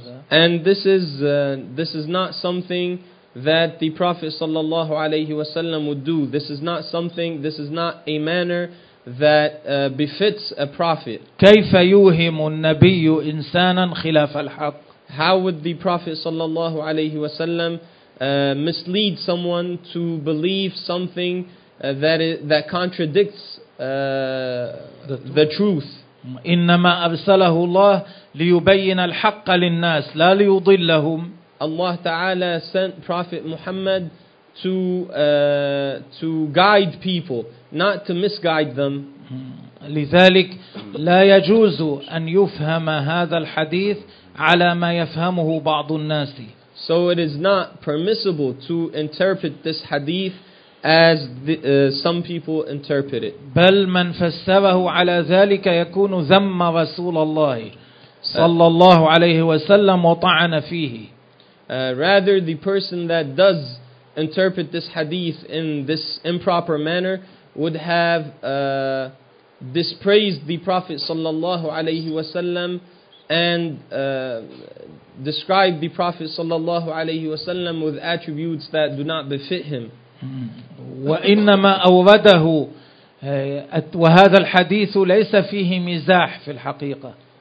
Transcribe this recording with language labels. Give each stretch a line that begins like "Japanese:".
English: And this is not something that the Prophet sallallahu alayhi wasallam would do. This is not a manner that befits a prophet.
Arabic: كيف يوهم النبي إنسانا خلاف الحق؟
English: How would the Prophet sallallahu alayhi wasallam mislead someone to believe something that contradicts the truth?
Arabic: إنما أرسله الله ليبين الحق للناس لا ليضلهم.
English: Allah Ta'ala sent Prophet Muhammad to guide people, not to misguide them.
Arabic: لذلك لا يجوز أن يفهم هذا الحديث على ما يفهمه بعض الناس.
English: So it is not permissible to interpret this hadith as some people interpret it.
Arabic: بل من فسره على ذلك يكون ذم رسول الله صلى الله عليه وسلم وطعن فيه.
English: Rather, the person that does interpret this hadith in this improper manner would have dispraised the Prophet sallallahu alayhi wasallam and described the Prophet sallallahu alayhi wasallam with attributes that do not befit him.
Arabic: وإنما أوبده وهذا الحديث ليس فيه مزاح في الحقيقة.